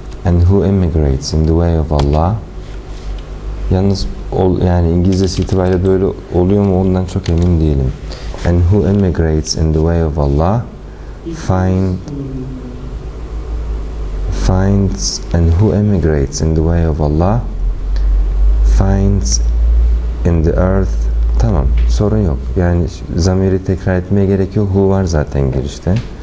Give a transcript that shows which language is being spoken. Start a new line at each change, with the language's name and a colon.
English: And who emigrates in the way of Allah?
Turkish: Yalnız yani İngilizcesi itibariyle böyle oluyor mu ondan çok emin değilim.
English: And who emigrates in the way of Allah? Finds and who emigrates in the way of Allah? Finds in the earth.
Turkish: Tamam. Sorun yok. Yani zamiri tekrar etmeye gerek yok. Who var zaten girişte.